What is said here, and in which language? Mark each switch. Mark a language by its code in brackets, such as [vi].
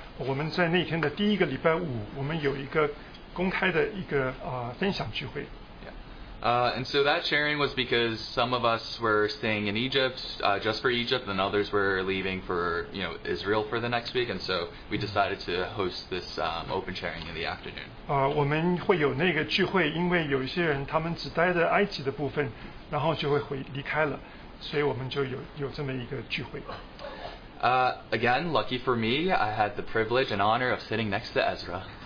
[zh] 我们在那天的第一个礼拜五，我们有一个公开的一个分享聚会。 [en] Yeah. And so that sharing was because some of us were staying in Egypt, just for Egypt, and others were leaving for, you know, Israel for the next week. And so we decided to host this open sharing in the afternoon. [zh] 我们会有那个聚会，因为有一些人他们只待在埃及的部分。然后就会离开了，所以我们就有这么一个聚会。 [en] Again, lucky for me, I had the privilege and honor of sitting next to Ezra.